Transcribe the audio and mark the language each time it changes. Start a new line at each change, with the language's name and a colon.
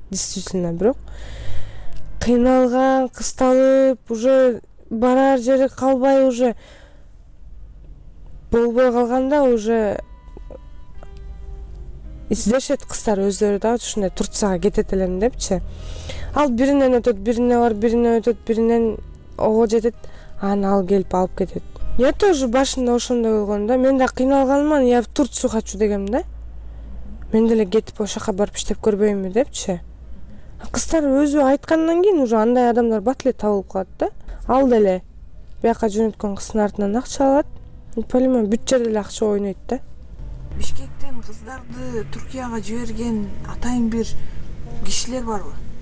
Kyrgyz: Действительно, бирок кыйналган, кысталып, уже барар жери калбай, уже болбой калганда уже издешет кыздар өздөрү дагы ушундай Турцияга кетет элем депчи. Ал биринен өтөт, бирине бар, бирине өтөт, биринен ого жетет, аны ал келип алып кетет.
Russian: Я тоже
Kyrgyz: башында ошондой болгон да. Мен да кыйналганым,
Russian: я в Турцию хочу
Kyrgyz: дегем да. Мен деле кетип ошо жака барып иштеп көрбөймүн депчи. Кыздар өзү айткандан кийин уже андай адамдар бат эле табылып калат да. Ал деле бияка жөнөткөн кыздын артынан акча алат. Полимон бүт жерде эле акча ойнойт да. Бишкектен кыздарды Түркияга жиберген атайын бир кишилер барбы?